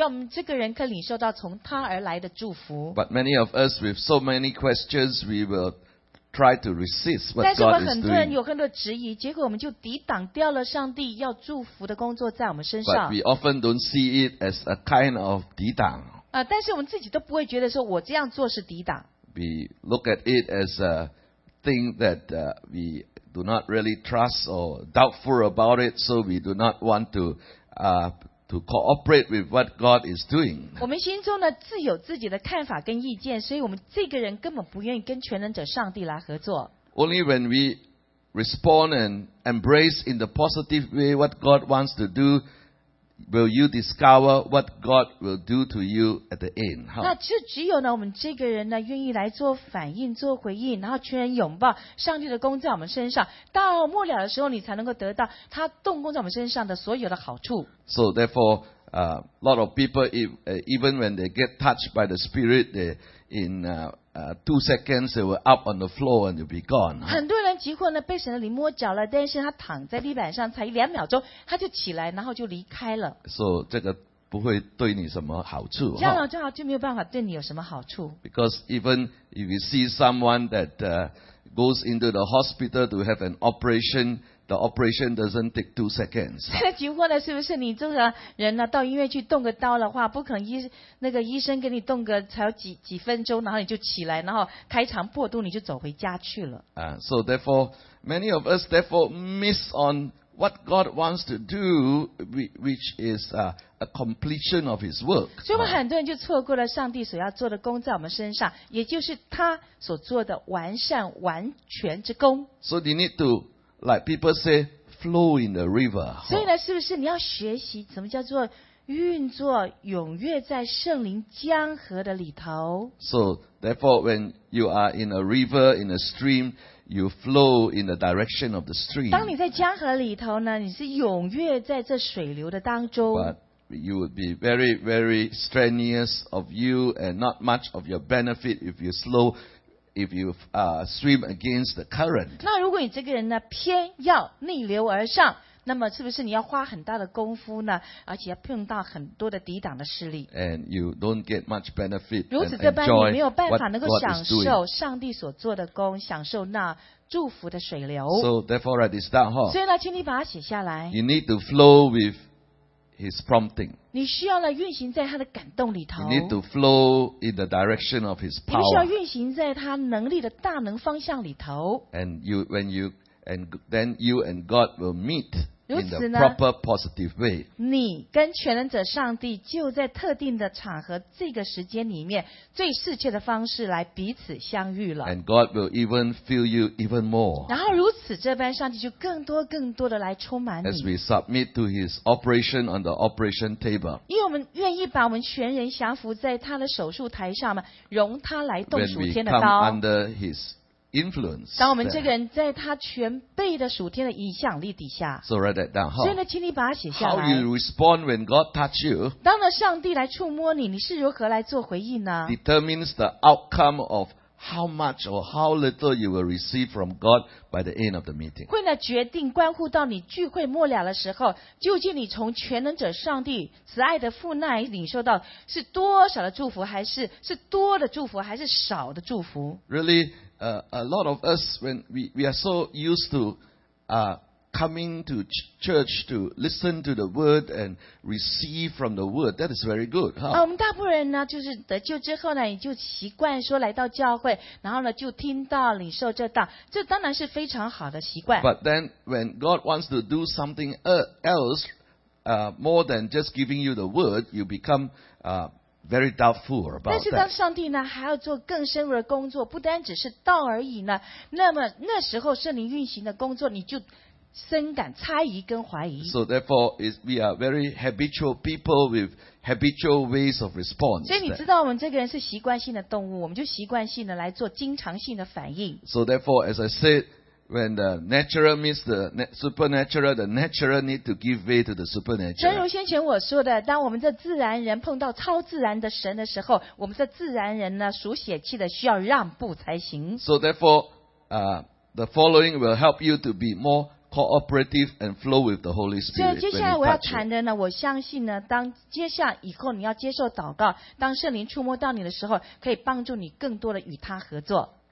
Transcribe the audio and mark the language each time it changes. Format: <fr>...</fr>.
<zh>所以我们有必要呢，来拥抱，然后来回应上帝所要做的工，好叫我们这个人可以领受到从他而来的祝福。</zh> <en>But many of us with so many questions, we will try to resist what God is doing.</en> <zh>但是我们很多人有很多质疑，结果我们就抵挡掉了上帝要祝福的工作在我们身上。</zh> <en>But we often don't see it as a kind of</en> <zh>抵挡。但是我们自己都不会觉得说我这样做是抵挡。</zh> <en>We look at it as a thing that we do not really trust or doubtful about it, so we do not want to to cooperate with what God is doing.</en> <zh>我们心中呢自有自己的看法跟意见，所以我们这个人根本不愿意跟全能者上帝来合作。</zh> <en>Only when we respond and embrace in the positive way what God wants to do, will you discover what God will do to you at the end.</en> <zh>那就只有呢，我们这个人呢愿意来做反应、做回应，然后全然拥抱上帝的工在我们身上。到末了的时候，你才能够得到他动工在我们身上的所有的好处。</zh> <en>So therefore, a lot of people, even when they get touched by the Spirit, they in2 seconds, they were up on the floor and they'll be gone.</en> <zh>很多人几乎呢被神的灵摸脚了，但是他躺在地板上才两秒钟，他就起来，然后就离开了。</zh> <en>So</en> <zh>这个不会对你什么好处。这样的话就没有办法对你有什么好处。</zh> <en>Because even if you see someone that goes into the hospital to have an operation. The operation doesn't take 2 seconds.</en> <zh>几乎呢，是不是你这个人呢，到医院去动个刀的话，不可能医生给你动个才有几分钟，然后你就起来，然后开肠破肚，你就走回家去了。</zh> <en>So therefore, many of us therefore miss on what God wants to do, which is a completion of His work.</en> <zh>所以，我们很多人就错过了上帝所要做的工在我们身上，也就是他所做的完善完全之工。</zh> <en>So you need to. Like people say, flow in the river.</en> <zh>所以呢，是不是你要学习什么叫做运作踊跃在圣灵江河的里头</zh> <en>？So therefore, when you are in a river, in a stream, you flow in the direction of the stream.</en> <zh>当你在江河里头呢，你是踊跃在这水流的当中。</zh> <en>But you would be very, very strenuous of you, and not much of your benefit if you slow. If you swim against the current,</en> <zh>那如果你这个人呢偏要逆流而上，那么是不是你要花很大的功夫呢？而且要碰到很多的抵挡的势力。</zh> <en>And you don't get much benefit.</en> <zh>如此这般，你没有办法能够享受上帝所做的工，享受那祝福的水流。</zh> <en>So therefore, write this down, huh?</en> <zh>所以呢，请你把它写下来。</zh> <en>You need to flow with His prompting.</en> <zh>你需要呢运行在他的感动里头。</zh> <en>You need to flow in the direction of His power.</en> <zh>你需要运行在他能力的大能方向里头。</zh> <en>And you, when you, and then you and God will meet in the proper positive way.</en> <zh>你跟全能者上帝就在特定的场合、这个时间里面，最适切的方式来彼此相遇了。</zh> <en>And God will even fill you even more.</en> <zh>然后如此这般，上帝就更多更多的来充满你。</zh> <en>As we submit to His operation on the operation table.</en> <zh>因为我们愿意把我们全人降服在他的手术台上嘛，容他来动属天的刀。</zh> <en>When we come under His influence,</en> <zh>当我们这个人在他全备的属天的影响力底下</zh> <en>so write that down, huh?</en> <zh>所以呢请你把它写下来</zh> <en>How you respond when God touch you,</en> <zh>当了上帝来触摸你你是如何来做回应呢</zh> <en>determines the outcome of how much or how little you will receive from God by the end of the meeting</en> <zh>会呢决定关乎到你聚会末了的时候究竟你从全能者上帝慈爱的父那里领受到是多少的祝福还是是多的祝福还是少的祝福</zh> <en>reallyA lot of us, when we are so used to coming to church to listen to the word and receive from the word, that is very good. Huh?</en> <zh>我们大部分人呢，就是得救之后呢，也就习惯说来到教会，然后呢就听到领受这道，这当然是非常好的习惯。</zh> <en>But then, when God wants to do something else, more than just giving you the word, you become very doubtful about that.</en> <zh>但是当上帝呢还要做更深入的工作，不单只是道而已呢，那么那时候圣灵运行的工作，你就深感猜疑跟怀疑。</zh> <en>So therefore, we are very habitual people with habitual ways of response.</en> <zh>所以你知道，我们这个人是习惯性的动物，我们就习惯性的来做经常性的反应。</zh> <en>So therefore, as I said. When the natural meets the supernatural, the natural need to give way to the supernatural.</en> <zh>正如先前我说的，当我们这自然人碰到超自然的神的时候，我们这自然人呢，属血气的需要让步才行。</zh> <en>So therefore, the following will help you to be more cooperative and flow with the Holy Spirit.</en> <zh>所以接下来我要谈的呢，我相信呢，当接下来以后你要接受祷告，当圣灵触摸到你的时候，可以帮助你更多的与他合作。</zh>